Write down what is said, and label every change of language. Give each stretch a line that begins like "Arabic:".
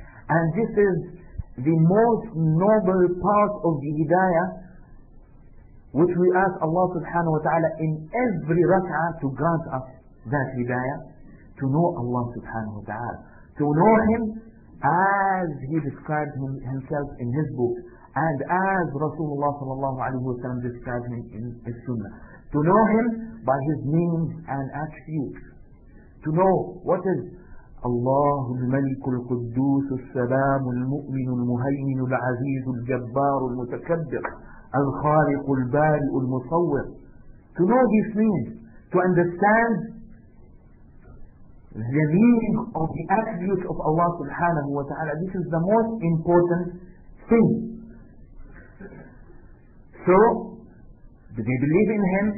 English: And this is the most noble part of the hidayah, which we ask Allah subhanahu wa ta'ala in every rak'ah to grant us that hidayah, to know Allah subhanahu wa ta'ala. To know him as he described himself in his book, and as Rasulullah sallallahu alayhi wa sallam described him in his sunnah. To know him by his means and attributes. To know what is
Arabic: الله الملك القدوس السلام المؤمن المهيمن العزيز الجبار المتكبر الخالق البارئ المصور.
English: To know these names, to understand the meaning of the attributes of Allah subhanahu wa ta'ala, this is the most important thing. So, do they believe in Him?